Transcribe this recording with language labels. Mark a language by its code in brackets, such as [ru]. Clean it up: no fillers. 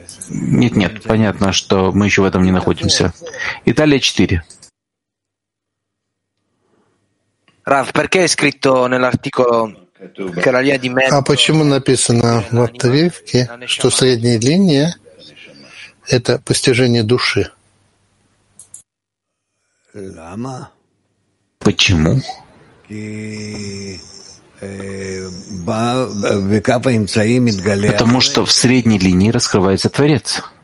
[ru] Нет, понятно, что мы еще в этом не находимся. Италия 4. [it] Раф, perché è scritto nell'articolo che la linea di mezzo? [ru] А почему написано в отрывке, что средняя линия — это постижение души? Лама? Почему? Потому что в средней линии раскрывается Творец.